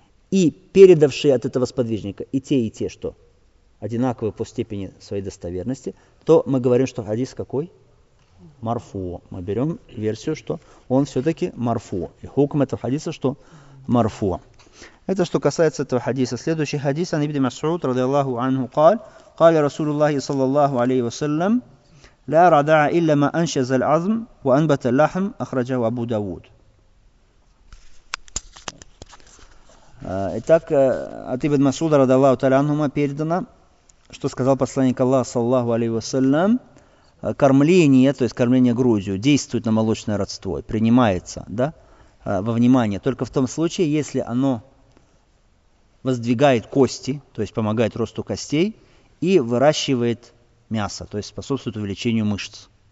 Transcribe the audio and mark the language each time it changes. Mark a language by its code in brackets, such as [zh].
[ru] И передавшие от этого сподвижника и те, что одинаковые по степени своей достоверности, то мы говорим, что хадис какой? Марфу. Мы берем версию, что он все-таки марфу. И хукм этого хадиса, что марфу. Это что касается этого хадиса. Следующий хадис. [ar] Ан ибн Мас'уд, радиаллаху анху, قال رسول الله صلى الله عليه وسلم لا رداء إلا ما أنشز العظم وأنبت اللحم أخرجه أبو داود. [ru] Итак, от ибн Мас'уда, радиаллаху анху, передано, что сказал посланник Аллаха, саллаллаху алейхи ва саллям, кормление, то есть кормление грудью, действует на молочное родство, принимается, да, во внимание, только в том случае, если оно воздвигает кости, то есть помогает росту костей, и выращивает мясо, то есть способствует увеличению мышц.